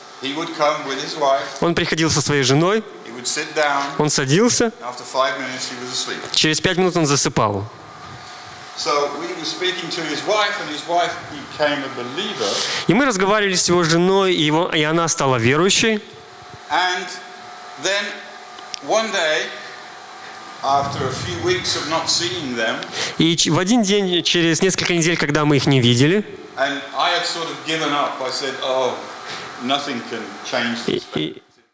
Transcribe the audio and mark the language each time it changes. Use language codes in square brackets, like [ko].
[en] He would come with his wife. [ru] Он приходил со своей женой. [en] He would sit down. [ru] Он садился. [en] After 5 minutes he was asleep. [ru] Через 5 минут он засыпал. [en] So we were speaking to his wife, and his wife became a believer. [ru] И мы разговаривали с его женой, и она стала верующей. [en] And then one day, after a few weeks of not seeing them, [ru] и в один день, через несколько недель, когда мы их не видели, [en] and I had sort of given up. I said, "Oh, nothing can change this."